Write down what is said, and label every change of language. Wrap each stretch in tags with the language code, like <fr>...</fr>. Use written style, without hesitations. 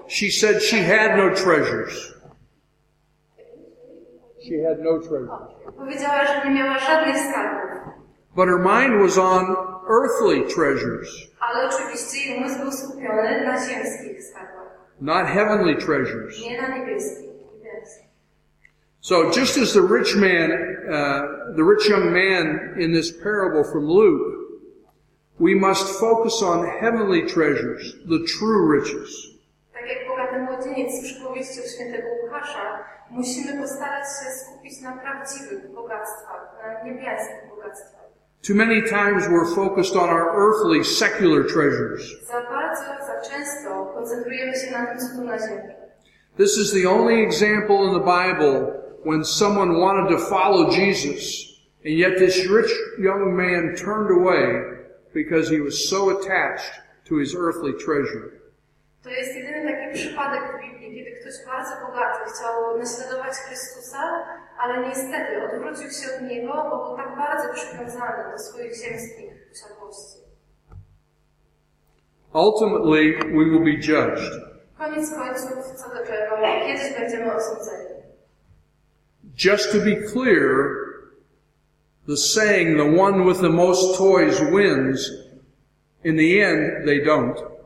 <en>She said she had no treasures. She had no treasures.</en> <pl>Powiedziała, że nie miała żadnych skarbów.</pl> <en>But her mind was on earthly treasures.</en> <pl>Ale oczywiście jej umysł był skupiony na ziemskich skarbach.</pl> <en>Not heavenly treasures.</en> <pl>Nie na niebieskich.</pl> <en>So just as the rich man, the rich young man in this parable from Luke, we must focus on heavenly treasures, the true riches.</en> <pl>Tak jak bogaty młodzieniec w przypowieści o świętego Łukasza, musimy postarać się skupić na prawdziwych bogactwach, na niebieskich bogactwach.</pl> <en>Too many times we're focused on our earthly, secular treasures.</en> <pl>Za bardzo, za często koncentrujemy się na tym, co tu na ziemi.</pl> <en>This is the only example in the Bible when someone wanted to follow Jesus, and yet this rich young man turned away because he was so attached to his earthly treasure.</en> <pl>To jest jedyny taki przypadek w Biblii, kiedy ktoś bardzo bogaty chciał naśladować Chrystusa, ale niestety odwrócił się od Niego, bo był tak bardzo przywiązany do swoich ziemskich posiadłości.</pl> <en>Ultimately, we will be judged.</en> <pl>Koniec końców, co do tego, kiedyś będziemy osądzeni.</pl> <en>Just to be clear, the saying, the one with the most toys wins, in the end, they don't.</en>